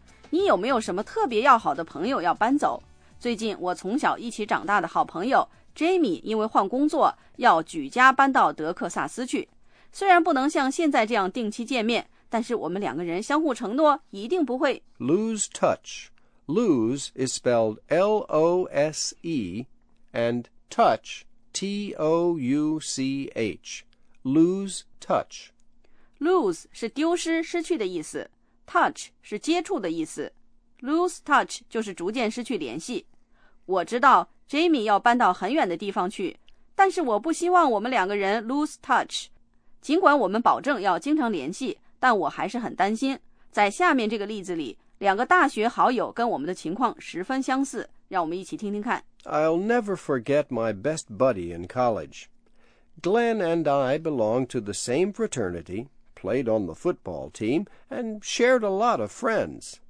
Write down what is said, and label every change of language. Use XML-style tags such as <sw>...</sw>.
<zh>你有没有什么特别要好的朋友要搬走？最近我从小一起长大的好朋友 Jamie 因为换工作要举家搬到德克萨斯去。虽然不能像现在这样定期见面，但是我们两个人相互承诺，一定不会</zh> <en>lose touch。Lose is spelled L-O-S-E, and touch, T-O-U-C-H, lose touch.</en> <zh>Lose 是丢失、失去的意思 ,touch 是接触的意思。 Lose touch 就是逐渐失去联系。我知道 Jamie 要搬到很远的地方去，但是我不希望我们两个人 lose touch。尽管我们保证要经常联系，但我还是很担心。在下面这个例子里，两个大学好友跟我们的情况十分相似，让我们一起听听看。</zh> <en>I'll never forget my best buddy in college. Glenn and I belonged to the same fraternity, played on the football team, and shared a lot of friends.</en>